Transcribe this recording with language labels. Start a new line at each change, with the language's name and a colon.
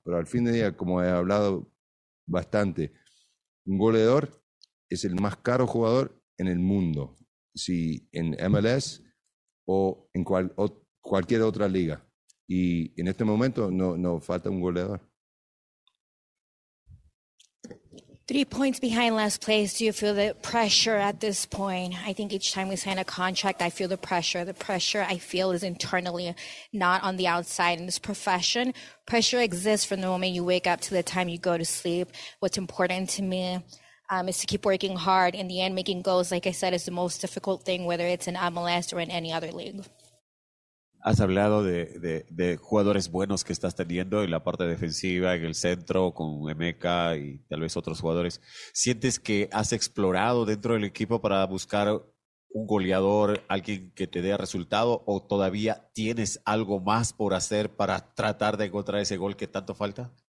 Spanish: Pero al fin de día, como he hablado bastante, un goleador es el más caro jugador en el mundo. Si en MLS o en cualquier otra liga. Y en este momento no falta un goleador.
English: 3 points behind last place. Do you feel the pressure at this point? I think each time we sign a contract, I feel the pressure. The pressure I feel is internally, not on the outside. In this profession, pressure exists from the moment you wake up to the time you go to sleep. What's important to me is to keep working hard. In the end, making goals, like I said, is the most difficult thing, whether it's in MLS or in any other league.
Spanish: Has hablado de jugadores buenos que estás teniendo en la parte defensiva, en el centro, con Emeka y tal vez otros jugadores. ¿Sientes que has explorado dentro del equipo para buscar un goleador, alguien que te dé resultado, o todavía tienes algo más por hacer para tratar de encontrar ese gol que tanto falta?